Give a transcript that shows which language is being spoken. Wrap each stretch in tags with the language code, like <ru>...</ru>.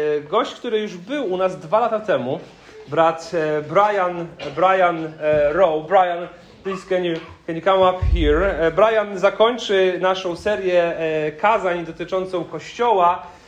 <pl>Gość, który już był u nas 2 lata temu. Brat Brian Rowe.</pl> <en>Brian, please can you come up here?</en> <pl>Brian zakończy naszą serię kazań dotyczącą kościoła.</pl>